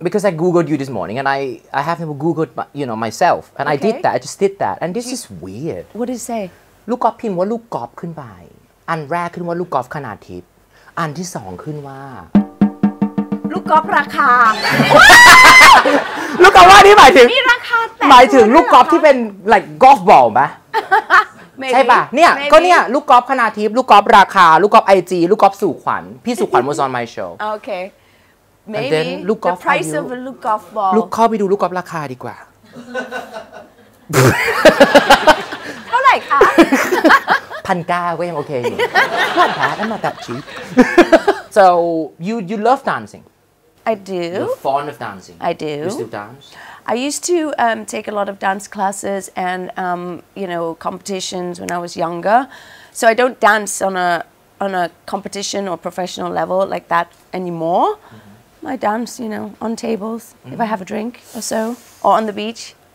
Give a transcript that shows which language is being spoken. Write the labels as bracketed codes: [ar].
[en] Because I Googled you this morning and I haven't Googled you know, myself. And okay. I just did that. And this is weird. What did it say? [th] ลูกกอล์ฟพิมพ์ว่าลูกกอล์ฟขึ้นไปอันแรกขึ้นว่าลูกกอล์ฟขนาดทิพย์อันที่สองขึ้นว่า ลูกกอล์ฟราคา ลูกกอล์ฟว่านี่หมายถึง นี่ราคาแต่ หมายถึงลูกกอล์ฟที่เป็น [en] like golf ball [th] ป่ะใช่ป่ะเนี่ยก็เนี่ยลูกกอล์ฟขนาดทิพย์ลูกกอล์ฟราคาลูกกอล์ฟ IG ลูกกอล์ฟสู่ขวัญพี่สู่ขวัญ [en] was on my show โอเค maybe the price of a ลูกกอล์ฟ ball [th] ลูกเข้าไปดูลูกกอล์ฟราคาดีกว่า เท่าไหร่คะ 1,900 ก็ยังโอเคอยู่ขวัญแท้นั่นมาแบบชิค [en] so you love dancing I do. You're fond of dancing. I do. You still dance? I used to take a lot of dance classes and, you know, competitions when I was younger. So I don't dance on a competition or professional level like that anymore. Mm-hmm. I dance, you know, on tables mm-hmm. if I have a drink or so, or on the beach.